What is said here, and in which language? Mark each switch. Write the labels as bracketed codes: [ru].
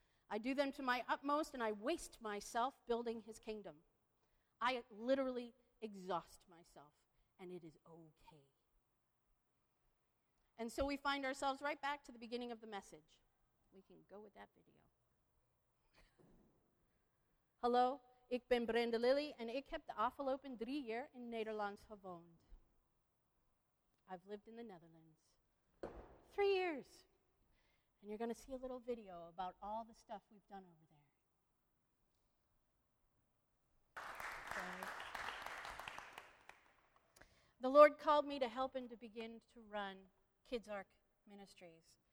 [en] I do them to my utmost, and I waste myself building his kingdom. I literally exhaust myself, and it is okay. And so we find ourselves right back to the beginning of the message. We can go with that video. [nl] Hallo, ik ben Brenda Lilly, and ik heb de afgelopen 3 jaar in Nederlands gewoond. [en] I've lived in the Netherlands. 3 years. And you're going to see a little video about all the stuff we've done over there. The Lord called me to help him to begin to run Kids Ark Ministries.